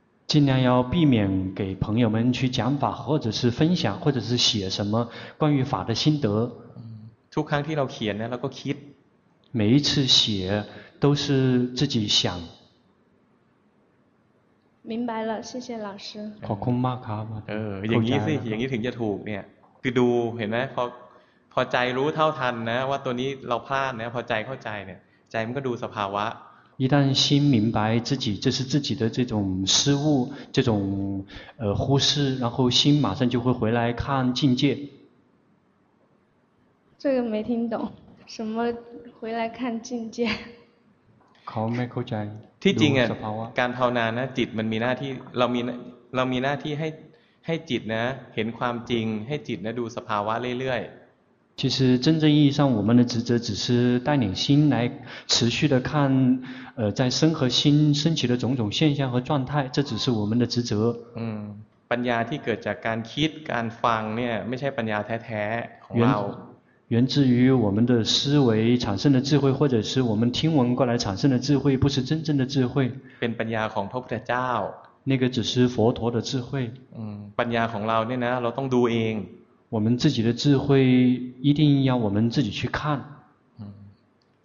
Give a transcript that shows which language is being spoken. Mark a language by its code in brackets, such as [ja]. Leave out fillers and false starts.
[zh] 尽量要避免给朋友们去讲法或者是分享或者是写什么关于法的心得 [th] ทุกครั้งที่เราเขียนเนี่ยเราก็คิด [zh] 每一次写都是自己想明白了谢谢老师 [th] ขอบคุณมากครับ อย่างนี้สิอย่างนี้ถึงจะถูกเนี่ยคือดูเห็นไหมพอใจรู้เท่าทันนะว่าตัวนี้เราพลาดนะพอใจเข้าใจเนี่ยใจมันก็ดูสภาวะ [zh] 一旦心明白自己这是自己的这种失误这种忽视然后心马上就会回来看境界这个没听懂什么回来看境界 [th] เขาไม่เข้าใจ ที่จริงอ่ะการภาวนานะจิตมันมีหน้าที่เรามีหน้าที่ให้จิตนะเห็นความจริงให้จิตนะดูสภาวะเรื่อยๆ [zh] 其实真正意义上我们的职责只是带领心来持续的看在身和心升起的种种现象和状态这只是我们的职责 [th] ปัญญาที่เกิดจากการคิดการฟังเนี่ยไม่ใช่ปัญญาแท้ๆของเรา [zh] 源自于我们的思维产生的智慧或者是我们听闻过来产生的智慧不是真正的智慧 [th] เป็นปัญญาของพระพุทธเจ้า [zh] 那个只是佛陀的智慧 [th] ปัญญาของเราเนี่ยนะเราต้องดูเอง วันจิตของเราจะต้องมีความรู้ในตัวเองที่จะต้องมาดู